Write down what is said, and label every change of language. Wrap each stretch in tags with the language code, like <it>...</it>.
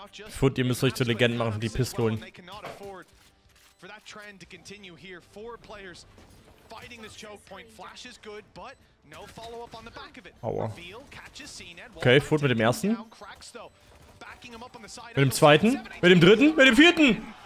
<de>Foot, ihr müsst euch zu Legenden machen und die Pistolen.</de> <en>For that trend to continue here, 4 players fighting this choke point. Flash is good, but no follow up on the back of it.</en> <de>Okay, Foot mit dem ersten. Mit dem zweiten, mit dem dritten, mit dem vierten.</de>